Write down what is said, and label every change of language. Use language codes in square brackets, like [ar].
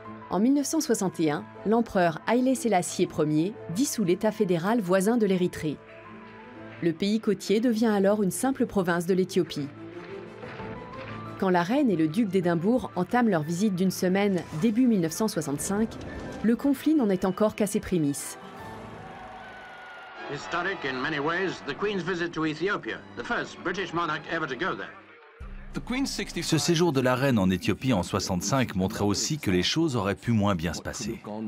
[fr] En 1961, l'empereur Haïlé Sélassié Ier dissout l'État fédéral voisin de l'Érythrée. Le pays côtier devient alors une simple province de l'Éthiopie. Quand la reine et le duc d'Édimbourg entament leur visite d'une semaine début 1965, le conflit n'en est encore qu'à ses prémices. [en] Historic in many ways, the Queen's visit to Ethiopia, the first British monarch ever to go there. [fr] Ce séjour de la reine en Éthiopie en 65 montrait aussi que les choses auraient pu moins bien se passer.